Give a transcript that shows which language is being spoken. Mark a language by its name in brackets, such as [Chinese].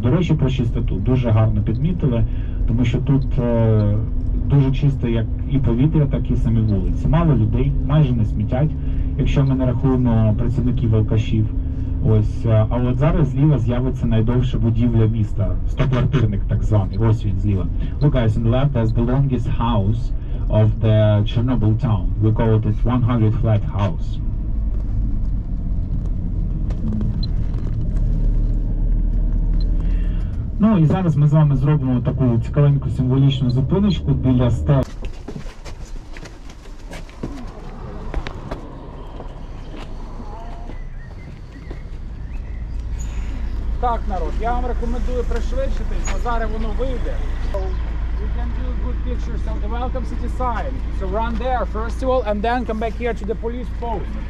[Ukrainian] До речі, про чистоту дуже гарно підмітили, тому що тут дуже чисто як і повітря, так і самі вулиці. Мало людей, майже не смітять, якщо ми не рахуємо працівників алкашів. Ось, а от зараз зліва з'явиться найдовша будівля міста, стоквартирник так званий, ось він зліва. [English] Look guys, on the left is the longest house of the Chernobyl town. We call it 100 flat house. [Ukrainian] Ну і зараз ми з вами зробимо таку цікавеньку символічну зупиночку біля стелі. Так, народ, я вам рекомендую пришвидшитись, бо зараз воно вийде. [English] We can do good pictures of the welcome city sign. So run there first of all and then come back here to the police post.